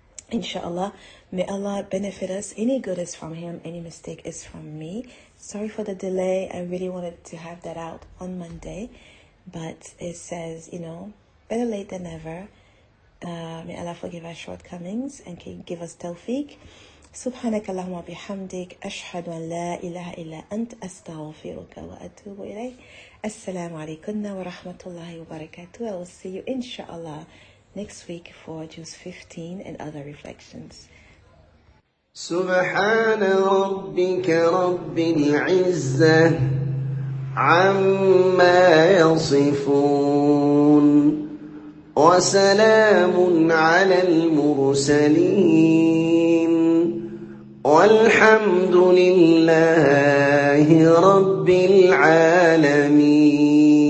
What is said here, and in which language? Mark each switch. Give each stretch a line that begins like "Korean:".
English: Inshallah, may Allah benefit us. Any good is from Him. Any mistake is from me. Sorry for the delay. I really wanted to have that out on Monday. But it says, you know, better late than never. May Allah forgive our shortcomings and can give us tawfiq.
Arabic: سبحانك اللهم وبحمدك أشهد أن لا إله إلا أنت أستغفرك وأتوب إليك السلام عليكم ورحمة الله وبركاته.
English: I will see you inshallah next week for Juz 15 and other reflections.
Arabic: سبحان ربك رب العزة عما يصفون وسلام على المرسلين والحمد لله رب العالمين.